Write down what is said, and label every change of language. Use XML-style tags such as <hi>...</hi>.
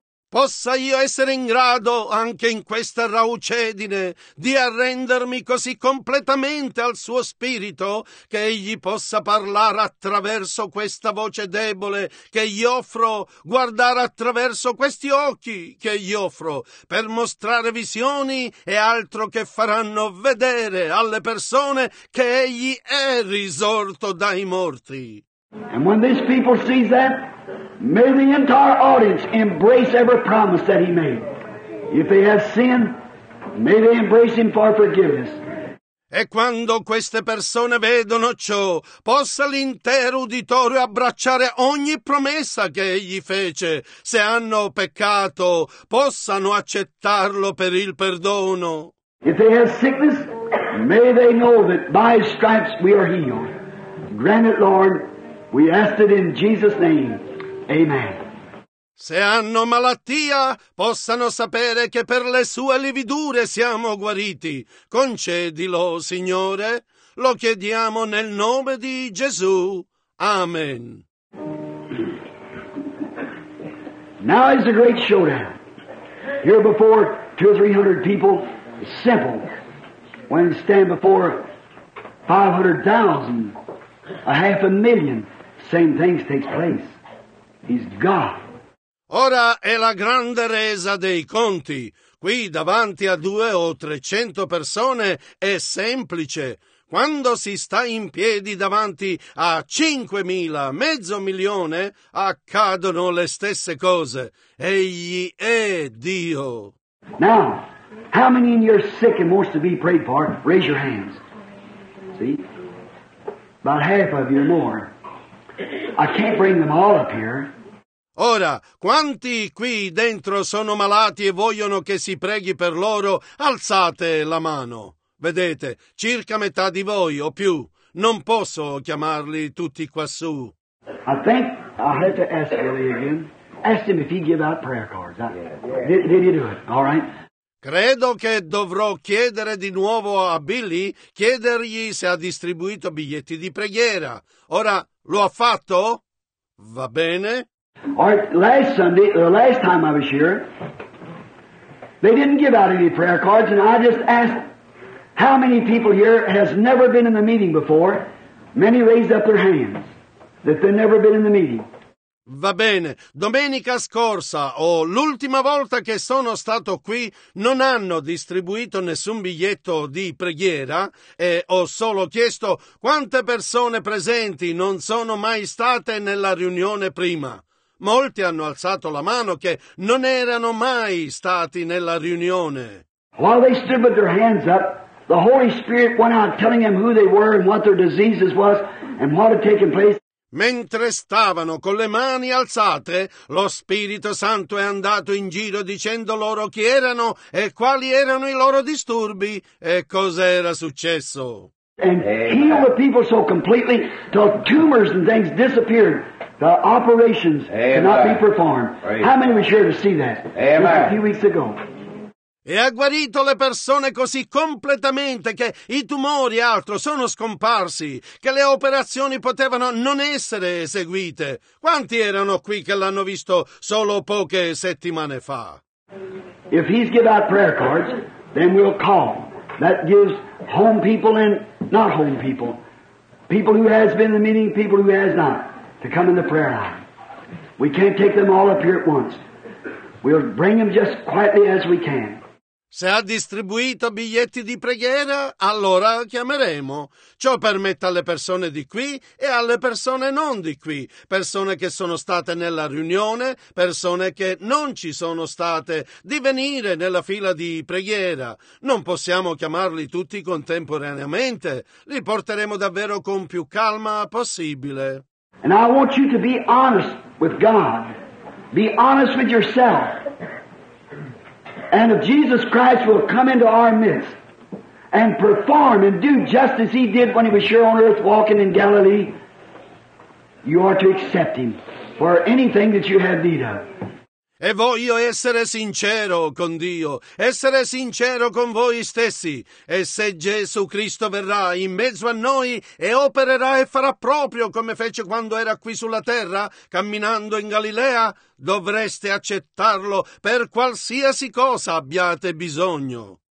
<it>Possa io essere in grado, anche in questa raucedine, di arrendermi così completamente al suo spirito che egli possa parlare attraverso questa voce debole che gli offro, guardare attraverso questi occhi che gli offro, per mostrare visioni e altro che faranno vedere alle persone che egli è risorto dai morti.</it> <en>And when these people see that, may the entire audience embrace every promise that He made. If they have sinned, may they embrace Him for forgiveness.</en> <it>E quando queste persone vedono ciò, possa l'intero uditorio abbracciare ogni promessa che Egli fece. Se hanno peccato, possano accettarlo per il perdono.</it> <en>If they have sickness, may they know that by His stripes we are healed. Grant it, Lord. We ask it in Jesus' name. Amen.</en> <it>Se hanno malattia, possano sapere che per le sue lividure siamo guariti. Concedilo, Signore. Lo chiediamo nel nome di Gesù. Amen.</it> <en>Now is a great showdown. Here before 200 or 300 people, simple. When you stand before 500,000, a half a million, same things take place. He's God.</en> <it>Ora è la grande resa dei conti. Qui davanti a 200 o 300 persone è semplice. Quando si sta in piedi davanti a 5.000, 500.000, accadono le stesse cose. Egli è Dio.</it> <en>Now, how many in you are sick and wants to be prayed for? Raise your hands. See? About half of you or more. I can't bring them all up here.</en> <it>Ora, quanti qui dentro sono malati e vogliono che si preghi per loro, alzate la mano. Vedete, circa metà di voi o più. Non posso chiamarli tutti quassù.</it> <en>I think I'll have to ask Billy again. Ask him if he give out prayer cards. Did he do it? All right.</en> <it>Credo che dovrò chiedere di nuovo a Billy, chiedergli se ha distribuito biglietti di preghiera. Ora, lo ha fatto? Va bene?</it> <en>All right, last Sunday, the last time I was here, they didn't give out any prayer cards, and I just asked how many people here has never been in the meeting before. Many raised up their hands that they've never been in the meeting.</en> <it>Va bene, domenica scorsa o l'ultima volta che sono stato qui non hanno distribuito nessun biglietto di preghiera e ho solo chiesto quante persone presenti non sono mai state nella riunione prima. Molti hanno alzato la mano che non erano mai stati nella riunione.</it> <en>While they stood with their hands up, the Holy Spirit went out telling them who they were and what their diseases was and what had taken place.</en> <it>Mentre stavano con le mani alzate, lo Spirito Santo è andato in giro dicendo loro chi erano e quali erano i loro disturbi e cosa era successo.</it> <en>And healed the people so completely till tumors and things disappeared. The operations cannot be performed. How many were here to see that? Amen. Just a few weeks ago.</en> <it>E ha guarito le persone così completamente che i tumori e altro sono scomparsi, che le operazioni potevano non essere eseguite. Quanti erano qui che l'hanno visto solo poche settimane fa?</it> <en>If he's give out prayer cards, then we'll call. That gives home people and not home people, people who has been in the meeting, people who has not, to come in the prayer line. We can't take them all up here at once. We'll bring them just quietly as we can.</en> <it>Se ha distribuito biglietti di preghiera, allora chiameremo. Ciò permette alle persone di qui e alle persone non di qui, persone che sono state nella riunione, persone che non ci sono state, di venire nella fila di preghiera. Non possiamo chiamarli tutti contemporaneamente. Li porteremo davvero con più calma possibile.</it> <en>And I want you to be honest with God. Be honest with yourself. And if Jesus Christ will come into our midst and perform and do just as he did when he was here on earth walking in Galilee, you are to accept him for anything that you have need of.</en> <it>E voglio essere sincero con Dio, essere sincero con voi stessi. E se Gesù Cristo verrà in mezzo a noi e opererà e farà proprio come fece quando era qui sulla terra, camminando in Galilea, dovreste accettarlo per qualsiasi cosa abbiate bisogno.</it>